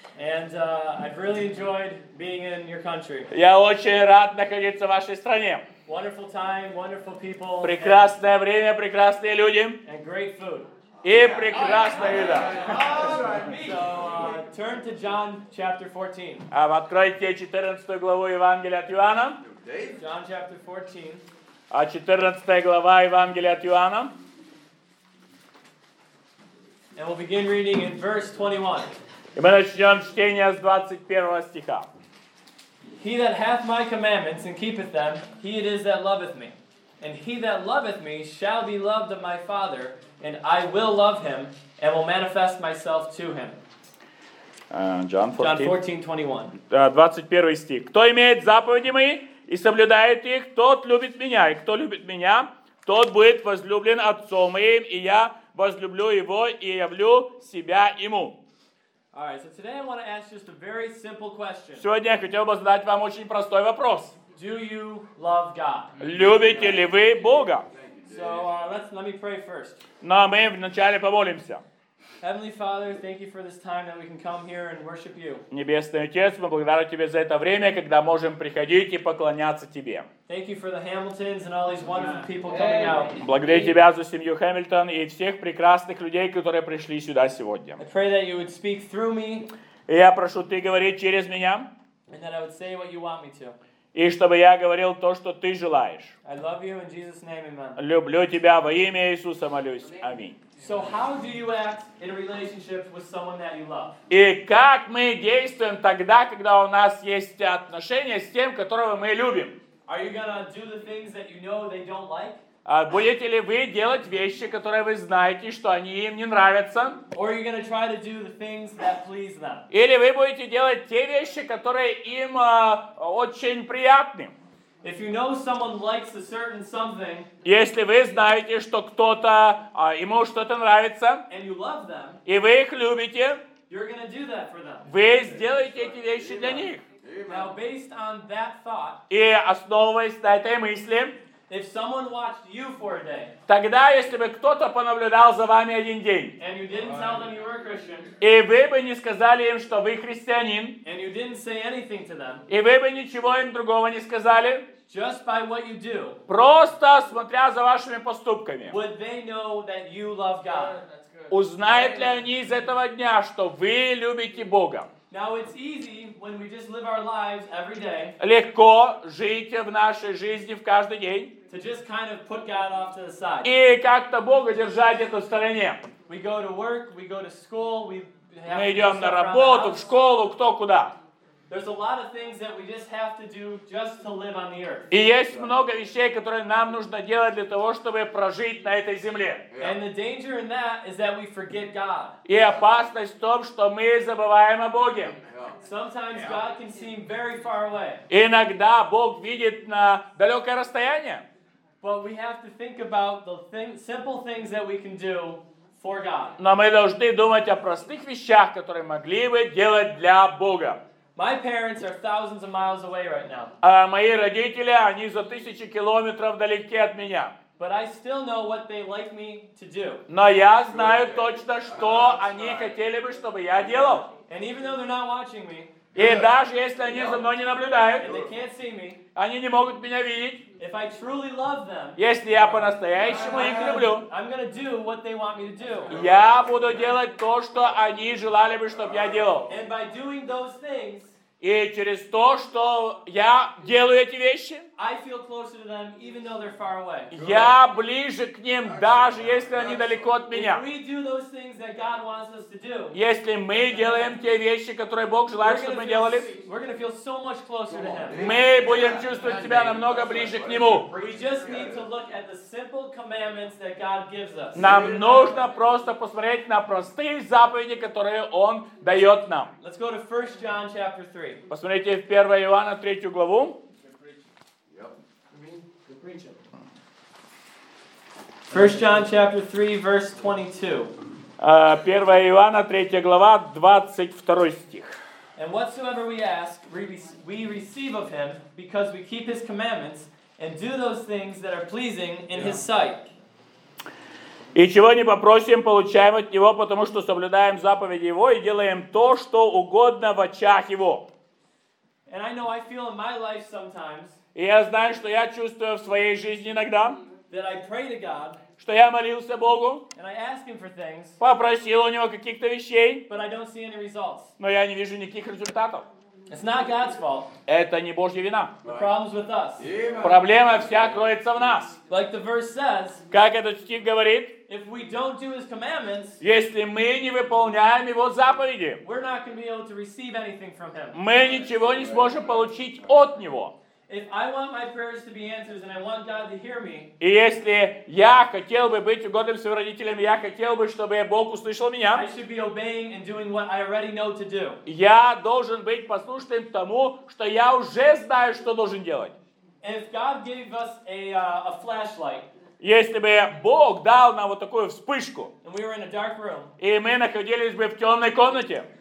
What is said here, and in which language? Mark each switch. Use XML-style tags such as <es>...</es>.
<en>And I've really enjoyed being in your country.</en> <ru>Я очень рад находиться в вашей стране.</ru> <en>Wonderful time, wonderful people.</en> <ru>Прекрасное время, прекрасные люди.</ru> <en>And great food.</en> <ru>И прекрасная еда.</ru> <en>So, turn to John chapter 14.</en> <ru>Откройте 14 главу Евангелия от Иоанна.</ru> <en>John chapter 14.</en> <ru>14 глава Евангелия от Иоанна.</ru> <en>And we'll begin reading in verse 21.</en> <ru>И мы начнем чтение с 21 стиха.</ru> <en>He that hath my commandments and keepeth them, he it is that loveth me. And he that loveth me shall be loved of my Father, and I will love him, and will manifest myself to him. John 14:21.</en> <ru>21 стих. Кто имеет заповеди мои и соблюдает их, тот любит меня. И кто любит меня, тот будет возлюблен отцом моим, и я возлюблю его и явлю себя ему.</ru> <en>All right, so today I want to ask just a very simple question.</en> <ru>Сегодня я хотел бы задать вам очень простой вопрос.</ru> <en>Do you love God?</en> <ru>Любите ли вы Бога?</ru> <en>So let me pray first.</en> <ru>Но мы вначале помолимся.</ru> <en>Heavenly Father, thank you for this time that we can come here and worship you.</en> <ru>Небесный Отец, мы благодарим тебя за это время, когда можем приходить и поклоняться тебе.</ru> <en>Thank you for the Hamiltons and all these wonderful people coming out.</en> <ru>Благодарю тебя за семью Хэмилтон и всех прекрасных людей, которые пришли сюда сегодня.</ru> <en>I pray that you would speak through me.</en> <ru>И я прошу, ты говори через меня.</ru> <en>And that I would say what you want me to.</en> <ru>И чтобы я говорил то, что ты желаешь.</ru> <en>I love you in Jesus' name, amen.</en> <ru>Люблю тебя во имя Иисуса, молюсь. Аминь.</ru> <en>So how do you act in a relationship with someone that you love?</en> <ru>И как мы действуем тогда, когда у нас есть отношения с тем, которого мы любим?</ru> <en>Are you gonna do the things that you know they don't like?</en> <ru>Будете ли вы делать вещи, которые вы знаете, что они им не нравятся?</ru> <en>Or are you gonna try to do the things that please them?</en> <ru>Или вы будете делать те вещи, которые им очень приятны?</ru> <en>If you know someone likes a certain something,</en> <ru>если вы знаете, что кто-то ему что-то нравится,</ru> <en>and you love them,</en> <ru>и вы их любите,</ru> <en>you're gonna do that for them.</en> <ru>Вы сделаете эти вещи для них.</ru> <en>Now, based on that thought,</en> <ru>и основываясь на этой мысли,</ru> <en>if someone watched you for a day,</en> <ru>тогда если бы кто-то понаблюдал за вами один день,</ru> <en>and you didn't tell them you were a Christian,</en> <ru>и вы бы не сказали им, что вы христианин,</ru> <en>and you didn't say anything to them,</en> <ru>и вы бы ничего им другого не сказали,</ru> <en>just by what you do,</en> <ru>просто смотря за вашими поступками,</ru> <en>would they know that you love God?</en> <ru>Узнают ли они из этого дня, что вы любите Бога?</ru> <en>Now it's easy when we just live our lives every day.</en> <ru>Легко жить в нашей жизни в каждый день.</ru> <en>To just kind of put God off to the side.</en> <ru>И как-то Бога держать это в стороне.</ru> <en>We go to work, we go to school, we have</en> <ru>мы идем на работу, в школу, кто куда.</ru> <en>There's a lot of things that we just have to do just to live on the earth.</en> <ru>И есть много вещей, которые нам нужно делать для того, чтобы прожить на этой земле.</ru> <en>And the danger in that is that we forget God.</en> <ru>И опасность в том, что мы забываем о Боге.</ru> <en>Sometimes God can seem very far away.</en> <ru>Иногда Бог видит на далекое расстояние.</ru> <en>But we have to think about the simple things that we can do for God.</en> <ru>Но мы должны думать о простых вещах, которые могли бы делать для Бога.</ru> <en>My parents are thousands of miles away right now.</en> <ru>Мои родители, они за тысячи километров далеки от меня.</ru> <en>But I still know what they like me to do.</en> <ru>Но я знаю точно, что они хотели бы, чтобы я делал.</ru> <en>And even though they're not watching me,</en> <ru>и даже если они за мной не наблюдают,</ru> <en>and they can't see me,</en> <ru>они не могут меня видеть.</ru> <en>If I truly love them,</en> <ru>если я по-настоящему их люблю,</ru> <en>I'm gonna do what they want me to do.</en> <ru>Я буду делать то, что они желали бы, чтобы я делал.</ru> <en>And by doing those things,</en> <ru>и через то, что я делаю эти вещи,</ru> <en>I feel closer to them, even though they're far away.</en> <ru>Я ближе к ним, даже если они далеко от меня.</ru> <en>If we do those things that God wants us to do,</en> <ru>если мы делаем те вещи, которые Бог желает, чтобы мы делали,</ru> <en>we're gonna feel so much closer to him.</en> <ru>Мы будем чувствовать себя намного ближе к Нему.</ru> <en>We just need to look at the simple commandments that God gives us.</en> <ru>Нам нужно просто посмотреть на простые заповеди, которые Он дает нам.</ru> <en>Let's go to 1 John chapter 3.</en> <ru>Посмотрите в 1 Иоанна 3 главу.</ru> <en>First John chapter 3 verse 22.</en> <ru>1 Иоанна 3 глава 22 стих.</ru> <en>And whatsoever we ask, we receive of him, because we keep his commandments and do those things that are pleasing in his sight.</en> <ru>И чего не попросим, получаем от него, потому что соблюдаем заповеди его и делаем то, что угодно в очах его.</ru> <en>And I know I feel in my life sometimes.</en> <ru>И я знаю, что я чувствую в своей жизни иногда.</ru> <en>That I pray to God.</en> <ru>Что я молился Богу,</ru> <en>and I ask him for things,</en> <ru>попросил у него каких-то вещей,</ru> <en>but I don't see any results.</en> <ru>Но я не вижу никаких результатов.</ru> <en>It's not God's fault.</en> <ru>Это не Божья вина.</ru> <en>The problem's with us.</en> <ru>Проблема вся кроется в нас.</ru> <en>Like the verse says,</en> <ru>как этот стих говорит,</ru> <en>if we don't do his commandments,</en> <ru>если мы не выполняем его заповеди,</ru> <en>we're not gonna be able to receive anything from him.</en> <ru>Мы ничего не сможем получить от него.</ru> <en>If I want my prayers to be answered and I want God to hear me.</en> <ru>И если я хотел бы быть угодным своим родителям, я хотел бы, чтобы Бог услышал меня.</ru> <en>I should be obeying and doing what I already know to do.</en> <ru>Я должен быть послушным тому, что я уже знаю, что должен делать.</ru> <en>If God gave us a flashlight.</en> <ru>Если бы Бог дал нам вот такую вспышку.</ru> <en>And we were in a dark room.</en> <ru>И мы находились бы в тёмной комнате.</ru>